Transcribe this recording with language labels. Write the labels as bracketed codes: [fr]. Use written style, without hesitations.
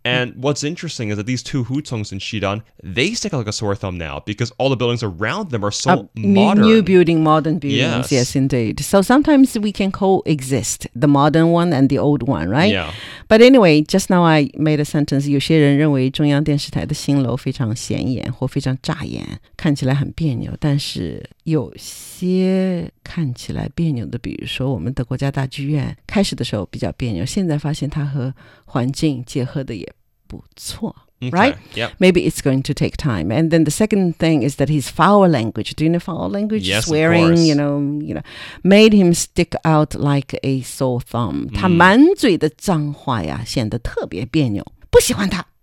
[en] And what's interesting is that these two hutongs in Shidan, they stick out like a sore thumb now because all the buildings around them are so modern. New building, modern buildings. Yes. Yes, indeed. So sometimes we can coexist the modern one and the old one, right? Yeah. But anyway, just now I made a sentence. [zh] 有些人认为中央电视台的新楼非常显眼或非常炸眼看起来很别扭但是有些看起来别扭的比如说我们的国家大剧院开始的时候比较别扭现在发现它和环境结合的也不错 [en] okay, right? Yep. Maybe it's going to take time. And then the second thing is that his foul language, do you know foul language? Yes, swearing, of course. You know, made him stick out like a sore thumb. [zh] 他满嘴的脏话呀显得特别别扭不喜欢他。